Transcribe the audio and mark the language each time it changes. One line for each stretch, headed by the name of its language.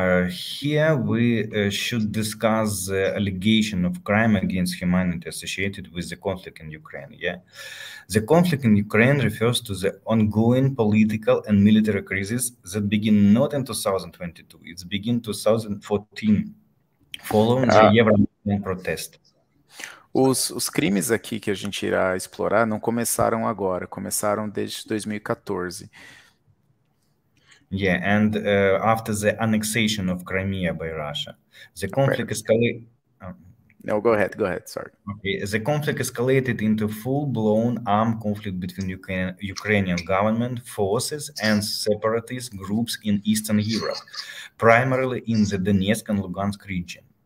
English: Here we should discuss the allegation of crime against humanity associated with the conflict in Ukraine. Yeah, the conflict in Ukraine refers to the ongoing political and military crisis that began not in 2022, it's begin 2014, following the Erasmus protest.
Portuguese: Os crimes aqui que a gente irá explorar não começaram agora, começaram desde 2014.
English: Yeah, and after the annexation of Crimea by Russia, the conflict escalated. No, go ahead. Sorry. Okay, the conflict escalated into full-blown armed conflict between Ukrainian government forces and separatist groups in Eastern Europe, primarily in the Donetsk and Lugansk region.